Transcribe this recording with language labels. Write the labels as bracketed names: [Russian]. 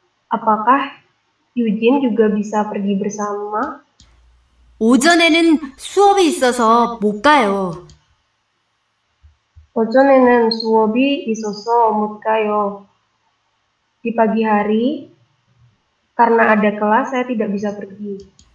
[Indonesian] Apakah Yujin juga bisa pergi bersama? [Korean] 오전에는 수업이 있어서 못 가요. 오전에는 수업이 있어서 못 가요. [Indonesian] Di pagi hari, karena ada kelas, saya tidak bisa pergi.